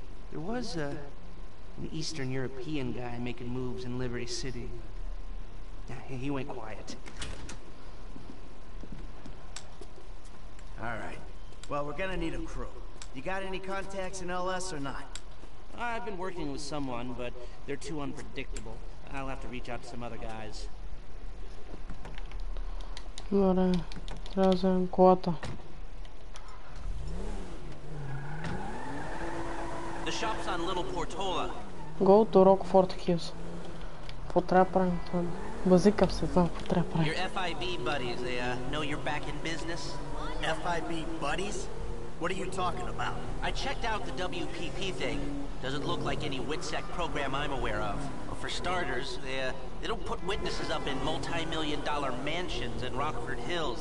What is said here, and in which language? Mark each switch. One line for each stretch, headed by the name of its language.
English: There was an Eastern European guy making moves in Liberty City. Yeah, he went quiet. All right. Well, we're gonna need a crew. You got any contacts in LS or not? I've been working with someone, but they're too unpredictable. I'll have to reach out to some other guys.
Bulgarian: Добре, трябва да вземем колата.
English: The shop's on Little Portola. Go to Rockford Hills.
Bulgarian: Какво трябва правим там? Базикав се, знам какво трябва правим.
English: Your FIB buddies, they know you're back in business. FIB buddies? What are you talking about? I checked out the WPP thing. Doesn't look like any WITSEC program I'm aware of. Well, for starters, they don't put witnesses up in multi-million dollar mansions in Rockford Hills.